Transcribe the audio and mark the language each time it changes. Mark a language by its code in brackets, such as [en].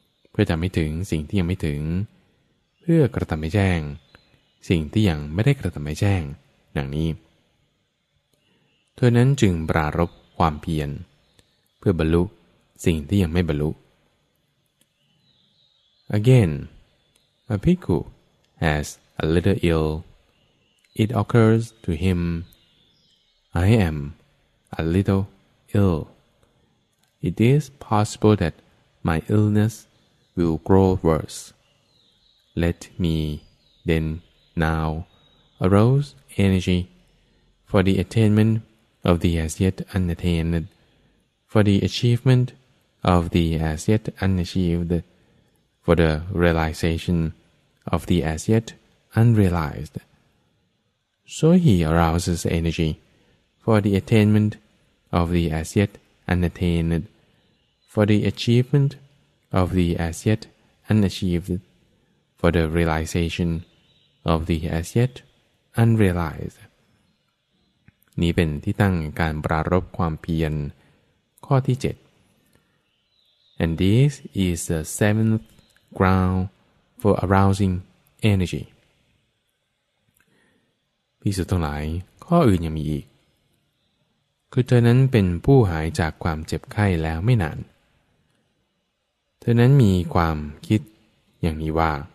[th] เพื่อทำให้ถึงสิ่งที่ยังไม่ถึงเพื่อกระทำให้แจ้งสิ่งที่ยังไม่ได้กระทำให้แจ้งดังนี้เธอนั้นจึงปรารภความเพียรเพื่อบรรลุสิ่งที่ยังไม่บรรลุ [en] Again, a bhikkhu has a little ill. It occurs to him, I am a little ill. It is possible that my illness will grow worse. Let me then now arouse energy for the attainment of the as yet unattained, for the achievement of the as yet unachieved, for the realization of the as yet unrealized. So he arouses energy for the attainment of the as yet unattained, for the achievement of the as yet unachieved, for the realization of the as yet unrealized. [th] นี่เป็นที่ตั้งการปรารภความเพียรข้อที่7 [en] And this is the seventh ground for arousing energy. [th] ภิกษุทั้งหลายข้ออื่นยังมีอีกคือเธอนั้นเป็นผู้หายจากความเจ็บไข้แล้วไม่นานเธอนั้นมีความคิดอย่างนี้ว่า